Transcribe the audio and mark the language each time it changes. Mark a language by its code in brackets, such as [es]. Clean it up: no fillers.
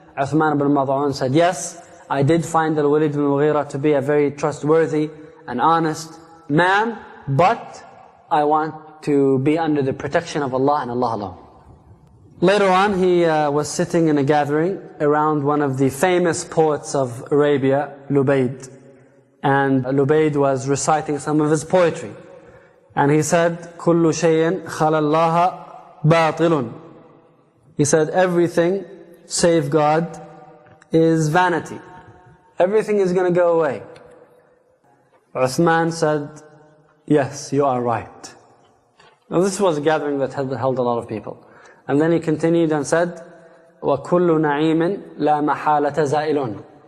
[en] Uthman ibn Mad'un said, yes, I did find Al-Walid bin Mughira to be a very trustworthy and honest man, but I want to be under the protection of Allah and Allah alone. Later on, he was sitting in a gathering around one of the famous poets of Arabia, Lubayd. And Lubayd was reciting some of his poetry. And he said, [ar] كُلُّ شَيْءٍ خَلَى اللَّهَ بَاطِلٌ. [en] He said, everything save God is vanity. Everything is going to go away. Uthman said, yes, you are right. Now this was a gathering that had held a lot of people. And then he continued and said, [ar] وَكُلُّ نَعِيمٍ لَا مَحَالَةَ زَائِلٌ.